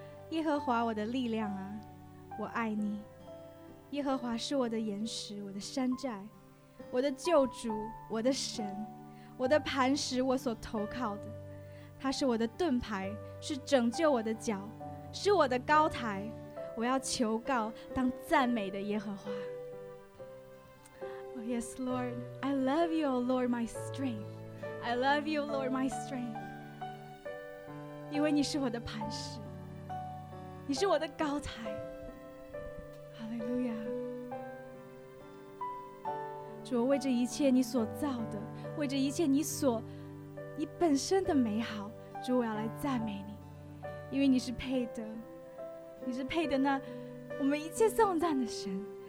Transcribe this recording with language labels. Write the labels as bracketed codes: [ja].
[zh] 耶和华我的力量啊，我爱你。耶和华是我的岩石，我的山寨，我的救主，我的神，我的磐石，我所投靠的。他是我的盾牌，是拯救我的脚，是我的高台。我要求告当赞美的耶和华。 [en] Oh, yes, Lord. I love you, O Lord, my strength. I love you, Lord, my strength. [zh] 因为你是我的磐石，你是我的高台。 [en] Hallelujah. [zh] 主，我为这一切你所造的，为这一切你本身的美好，主，我要来赞美你，因为你是配得，你是配得那我们一切颂赞的神。